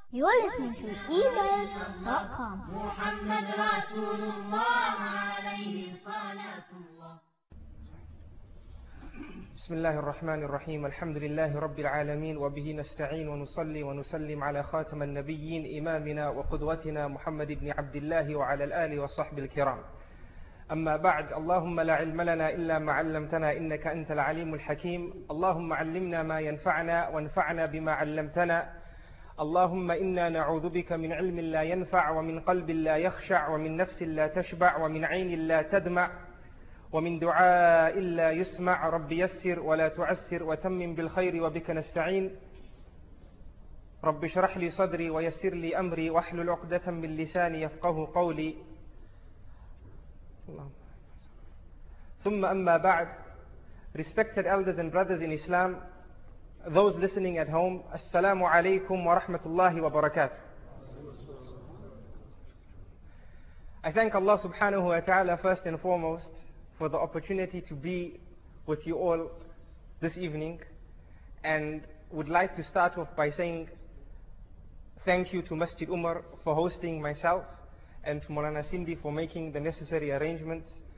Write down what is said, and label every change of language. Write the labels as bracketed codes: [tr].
[en] You're listening to ebuzz.com. [ar] محمد رسول الله عليه الصلاة. بسم الله الرحمن الرحيم. الحمد لله رب العالمين وبه نستعين ونصلي ونسلم على خاتم النبيين إمامنا وقدوتنا محمد بن عبد الله وعلى الآل وصحب الكرام. أما بعد، اللهم لا علم لنا إلا ما علمتنا إنك أنت العليم الحكيم. اللهم علمنا ما ينفعنا وانفعنا بما علمتنا. اللهم إنا نعوذ بك من علم لا ينفع ومن قلب لا يخشع ومن نفس لا تشبع ومن عين لا تدمع ومن دعاء إلا يسمع. ربي يسر ولا تعسر وتمم بالخير وبك نستعين. ربي اشرح لي صدري ويسر لي أمري واحلل عقدة من لساني يفقه قولي. ثم أما بعد، [en] respected elders and brothers in Islam, those listening at home, [ar] السلام عليكم ورحمة الله وبركاته. [en] I thank Allah subhanahu wa ta'ala first and foremost for the opportunity to be with you all this evening, and would like to start off by saying thank you to Masjid Umar for hosting myself and to Mawlana Sindhi for making the necessary arrangements.